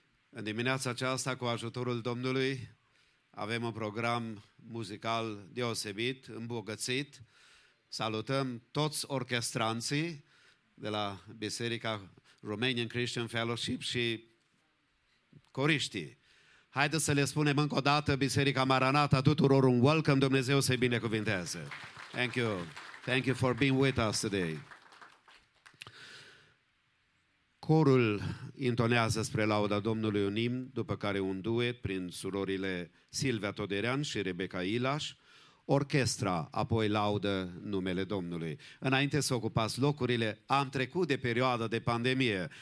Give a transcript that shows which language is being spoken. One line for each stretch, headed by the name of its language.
Romanian: În dimineața aceasta, cu ajutorul Domnului, avem un program muzical deosebit, îmbogățit. Salutăm toți orchestranții de la Biserica Romanian Christian Fellowship și coriștii. Haideți să le spunem încă o dată, Biserica Maranata, tuturor un welcome, Dumnezeu să-i binecuvinteze.
English: Thank you. Thank you for being with us today.
Romanian: Corul intonează spre lauda Domnului un imn, după care un duet prin surorile Silvia Toderean și Rebecca Ilaș, orchestra apoi laudă numele Domnului. Înainte să ocupați locurile, am trecut de perioada de pandemie.